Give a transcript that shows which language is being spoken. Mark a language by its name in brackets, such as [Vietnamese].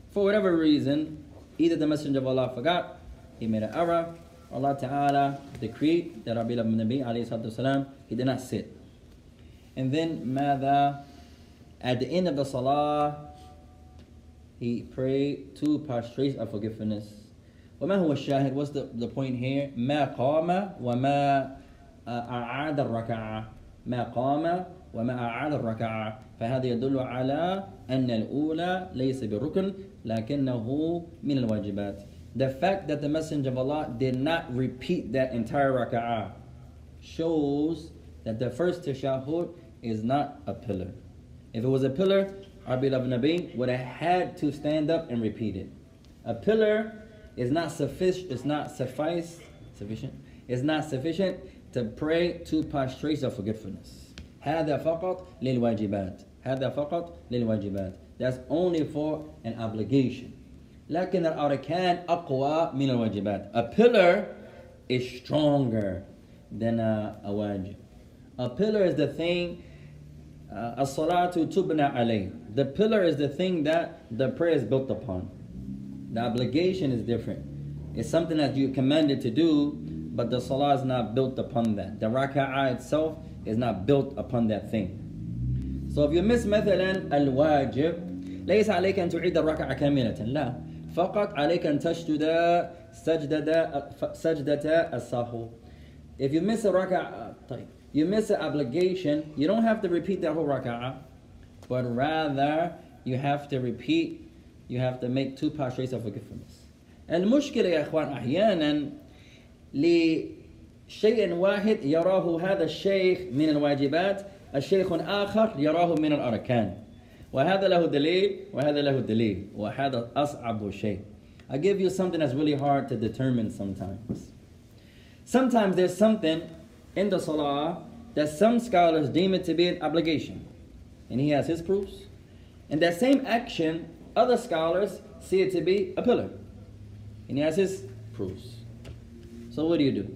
[English] For whatever reason, either the Messenger of Allah forgot, he made an error, Allah Ta'ala decreed that Rabbi Ibn Nabi alayhi salatu wasalam, he did not sit. And then [Arabic] ماذا? [English] At the end of the salah, he prayed two prostrates of forgiveness. [Arabic] وما هو الشاهد? [English] What's the point here? [Arabic] ما قام وما أعاد الركعة. ما قام وما أعاد الركعة، فهذا يدل على أن الأولى ليس بالركن لكنه من الواجبات. [English] The fact that the Messenger of Allah did not repeat that entire raka'ah shows that the first tashahhud is not a pillar. If it was a pillar, our beloved Nabi would have had to stand up and repeat it. A pillar is not sufficient. It's not sufficient to pray two prostrations of forgetfulness. [Arabic] هذا فقط للواجبات. [English] That's only for an obligation. [Arabic] لكن الأركان أقوى من الواجبات. [English] A pillar is stronger than a wajib. A pillar is the thing. [Arabic] الصلاة تبنى عليه. [English] The pillar is the thing that the prayer is built upon. The obligation is different. It's something that you're commanded to do, but the salah is not built upon that. The raka'ah itself is not built upon that thing. So if you miss [Arabic] مثلاً الواجب, ليس عليك أن تعيد الركعة كاملة. لا. فقط عليك أن تشدد سجدة السهو. [English] If you miss a raka'ah, you miss an obligation, you don't have to repeat that whole raka'ah, but rather you have to repeat, you have to make two postures of forgiveness. [Arabic] المشكلة يا أخوان أحياناً لشيء واحد يراه هذا الشيخ من الواجبات الشيخ آخر يراه من الأركان وهذا له دليل وهذا له دليل وهذا أصعب شيء. [English] I give you something that's really hard to determine sometimes. Sometimes there's something in the salah that some scholars deem it to be an obligation, and he has his proofs. And that same action, other scholars see it to be a pillar, and he has his proofs. So what do?